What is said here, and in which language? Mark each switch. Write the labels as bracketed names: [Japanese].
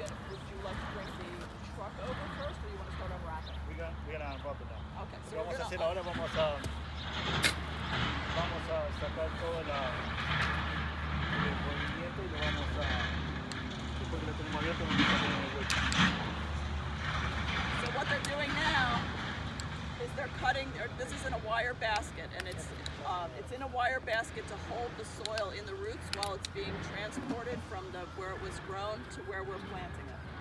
[English] Would you like to bring the walk over first, or you want to start unwrapping? We're gonna unwrap it now. Okay, so [Spanish] vamos a hacer ahora, vamos a sacar todo el movimiento y lo vamos a después que lo tenemos abierto, vamos a poner en el hueco. [English] So what they're doing now is they're cutting. This is in a wire basket, and it's in a wire basket to hold the soil in the roots while it's being transported from the where it was grown to where we're planting it.